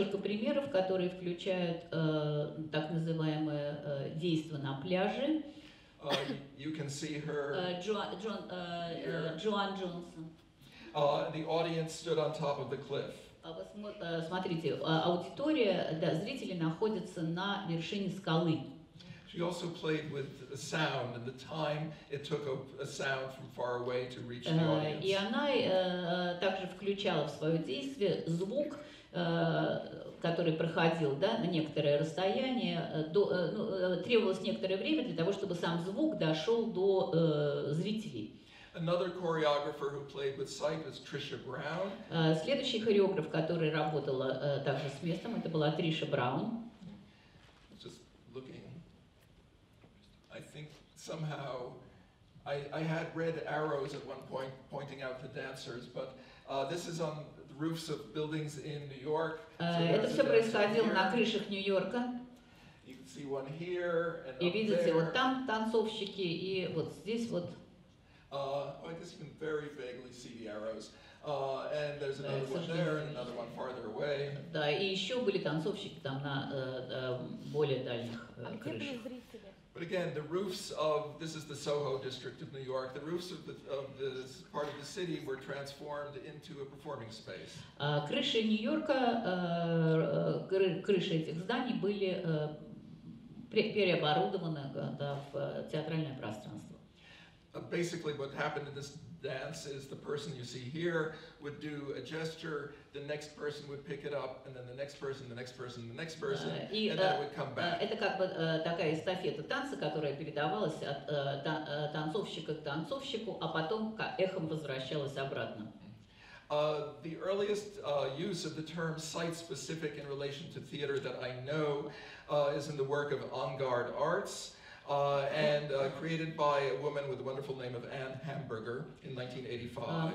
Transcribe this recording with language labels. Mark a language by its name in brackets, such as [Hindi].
[Russian] Несколько примеров, которые включают так называемое действо на пляже. [English] You can see her. [Russian] Джоан Джонсон. [English] The audience stood on top of the cliff. [Russian] Смотрите, аудитория, да, зрители находятся на вершине скалы. [English] She also played with the sound and the time it took a sound from far away to reach the audience. [Russian] И она также включала в свое действие звук, который проходил, да, на некоторое расстояние, требовалось некоторое время для того, чтобы сам звук дошел до зрителей. [English] Another choreographer who played with sight was Trisha Brown. [Russian] Следующий хореограф, который работал также с местом, это была Триша Браун. [English] Just looking. I think somehow I had red arrows at one point pointing out the dancers, but this is on roofs of buildings in New York. [Russian] Это все происходило на крышах Нью-Йорка. [English] You can see one here and up there. [Russian] И видите, вот там танцовщики, и вот здесь вот. [English] I guess you can very vaguely see the arrows. And there's another one there and another one farther away. [Russian] Да, и еще были танцовщики там на более дальних крышах. [English] But again, the roofs of, this is the Soho district of New York, the roofs of this part of the city were transformed into a performing space. [Russian] Крыши Нью-Йорка, крыши этих зданий были переоборудованы, да, в театральное пространство. [English] Basically, what happened in this dance is the person you see here would do a gesture, the next person would pick it up, and then the next person, the next person, the next person, and that would come back. [Russian] Это как бы такая эстафета танца, которая передавалась от танцовщика к танцовщику, а потом эхом возвращалась обратно. [English] The earliest use of the term site-specific in relation to theater that I know is in the work of Avant-Garde Arts, and created by a woman with the wonderful name of Anne Hamburger in 1985.